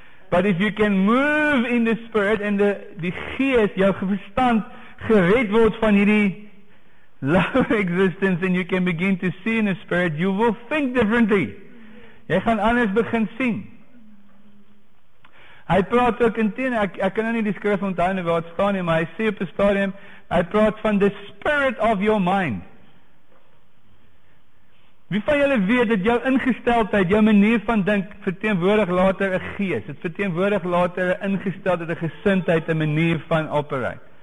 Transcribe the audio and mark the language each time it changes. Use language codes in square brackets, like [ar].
[en] But if you can move in the spirit and the gees, [af] jou verstand, gered word van hierdie [en] lower existence and you can begin to see in the spirit, you will think differently. [af] Jy gaan anders begin sien. Hy praat ook in 10, ek kan nie die skrif onthou nie waar het staan nie, maar hy sê op die stadium, hy praat van [en] the spirit of your mind. [af] Wie van julle weet dat jou ingesteldheid, jou manier van dink, verteenwoordig later een gees, het verteenwoordig later een ingesteldheid, een gesindheid, een manier van operate.